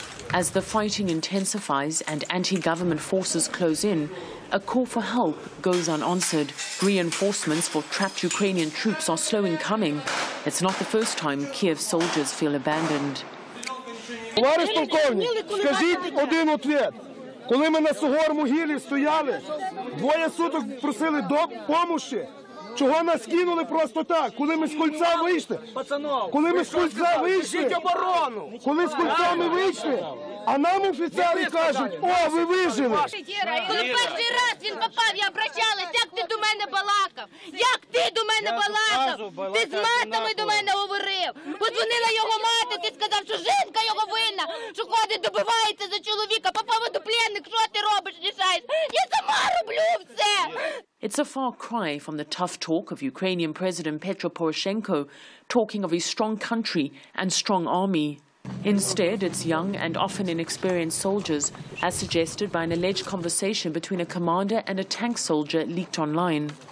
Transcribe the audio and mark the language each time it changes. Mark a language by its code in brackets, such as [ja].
[en] As the fighting intensifies and anti-government forces close in, a call for help goes unanswered. Reinforcements for trapped Ukrainian troops are slow in coming. It's not the first time Kiev soldiers feel abandoned. [uk] Товариш полковник, скажіть один ответ. Коли ми на Сугормугілі стояли, двоє суток просили допомоги, чого нас кинули просто так, коли ми з кольця вийшли? Коли ми з кольця вийшли? Коли з кольця ми вийшли? А нам офіцери кажуть, о, ви вижили. Коли перший раз він попав, я обращалась, як ти до мене балакав? Як ти до мене балакав? Ти з матами до мене говорив. Подзвонила його мати, ти сказав, що жінка його винна, що ходить, добивається за чоловіка. Попав до пленник, що ти робиш, рішаєш? Я сама роблю все. [en] It's a far cry from the tough talk of Ukrainian President Petro Poroshenko, talking of a strong country and strong army. Instead, it's young and often inexperienced soldiers, as suggested by an alleged conversation between a commander and a tank soldier leaked online.